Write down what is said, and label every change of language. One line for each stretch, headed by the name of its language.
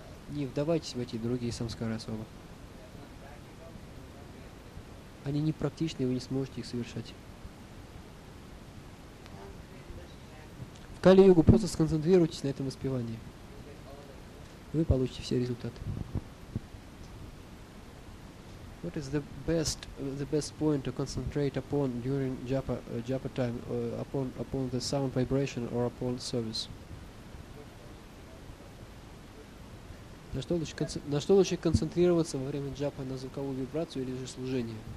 Russian: Не вдавайтесь в эти другие самскары особо. Они непрактичны, и вы не сможете их совершать. В Кали-югу просто сконцентрируйтесь на этом воспевании. Вы получите все результаты.
English: What is the best point to concentrate upon during japa time, upon the sound vibration or upon service?
Russian: На что лучше концентрироваться во время джапа, на звуковую вибрацию или же служение?